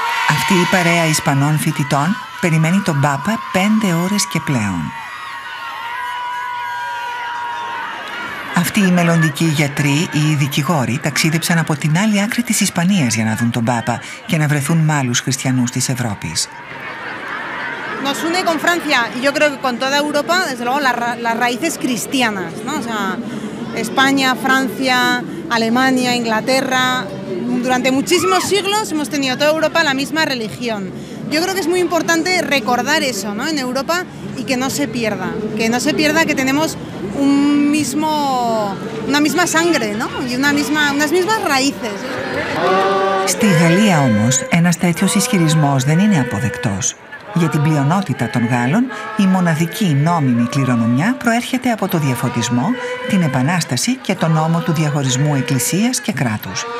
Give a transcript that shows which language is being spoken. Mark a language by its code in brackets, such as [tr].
[el] Αυτή η παρέα Ισπανών φοιτητών περιμένει τον Πάπα 5 ώρες και πλέον. Αυτοί οι μελλοντικοί γιατροί ή οι δικηγόροι ταξίδεψαν από την άλλη άκρη της Ισπανίας για να δουν τον Πάπα και να βρεθούν με άλλους χριστιανούς της Ευρώπης. [es] Nos une con Francia y yo creo que con toda Europa, desde luego, las raíces cristianas, ¿no? O sea, España, Francia, Alemania, Inglaterra, durante muchísimos siglos hemos tenido toda Europa la misma religión. Yo creo que es muy importante recordar eso, ¿no? En Europa y que no se pierda, que no se pierda que tenemos un mismo, una misma sangre, ¿no? Y unas mismas raíces. [el] Στη Γαλλία όμως, ένας τέτοιος ισχυρισμός δεν είναι αποδεκτός. Για την πλειονότητα των Γάλλων, η μοναδική νόμιμη κληρονομιά προέρχεται από το διαφωτισμό, την επανάσταση και τον νόμο του διαχωρισμού εκκλησίας και κράτους.